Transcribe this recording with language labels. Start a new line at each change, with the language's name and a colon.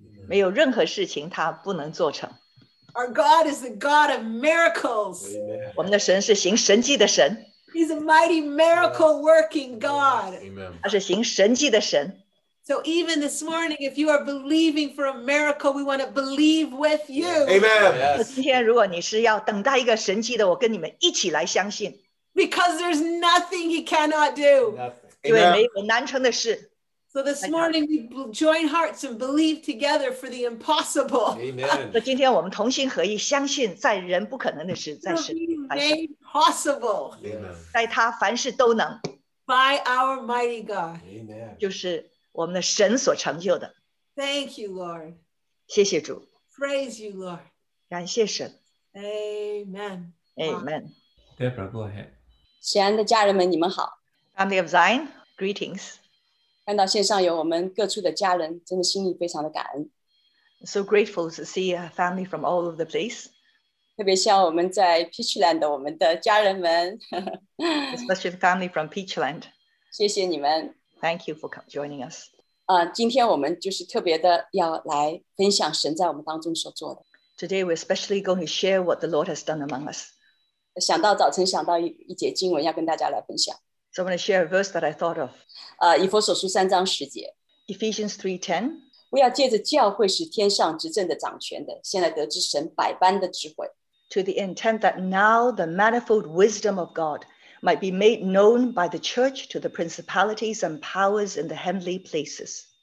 Chinese: 没有任何事情他不能做成.
English: Our God is the God of miracles.
Chinese: 我们的神是行神迹的神.
English: He's a mighty miracle working God.
Chinese: 他是行神迹的神.
English: So even this morning, if you are believing for a miracle, we want to believe with you. Amen. Yes.
Chinese: 今天如果你是要等待一个神迹的，我跟你们一起来相信。
English: Because there's nothing he cannot do. Nothing.
Chinese: 因为没有难成的事。
English: So this morning, we join hearts and believe together for the impossible. Amen.
Chinese: 那今天我们同心合意相信在人不可能的事，在神。
English: Made possible. Amen.
Chinese: 在他凡事都能。
English: By our mighty God. Amen.
Chinese: 就是。我们的神所成就的
English: Thank you, Lord.
Chinese: 谢谢主
English: Praise you, Lord.
Chinese: 感谢神
English: Amen. Amen. Deborah, go ahead.
Chinese: 亲爱的家人们，你们好。
English: Family of Zion, greetings.
Chinese: 看到线上有我们各处的家人，真的心里非常的感恩。
English: So grateful to see a family from all over the place.
Chinese: 特别像我们在Peachland的我们的家人们。
English: Especially the family from Peachland.
Chinese: 谢谢你们。
English: Thank you for joining us.
Chinese: 今天我们就是特别的要来分享神在我们当中所做的。
English: Today we're especially going to share what the Lord has done among us.
Chinese: 想到早晨想到一节经文要跟大家来分享。
English: So I'm going to share a verse that I thought of.
Chinese: 以弗所书3章10节。
English: Ephesians 3:10.
Chinese: 我要借着教会使天上执政的掌权的，现在得知神百般的智慧。
English: To the intent that now the manifold wisdom of God might be made known by the church to the principalities and powers in the heavenly places.